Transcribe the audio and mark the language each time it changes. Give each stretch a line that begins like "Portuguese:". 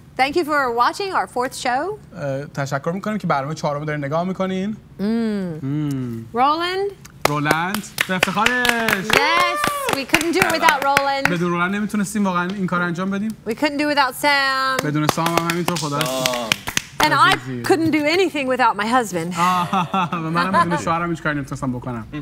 English: Thank you for watching our fourth show.
Persian: تشکر می‌کنم که برنامه چهارم دارین نگاه می‌کنین. رولند به افتخارش.
English: Yes, we couldn't do it without Roland.
Persian: بدون رولند نمیتونستیم واقعا این کار انجام بدیم.
English: We couldn't do it without Sam.
Persian: بدون سام هم همینطور خدا.
English: And I couldn't do anything without my husband.
Persian: و منم بدون شوهرم هیچ کاری نمیتونستم بکنم.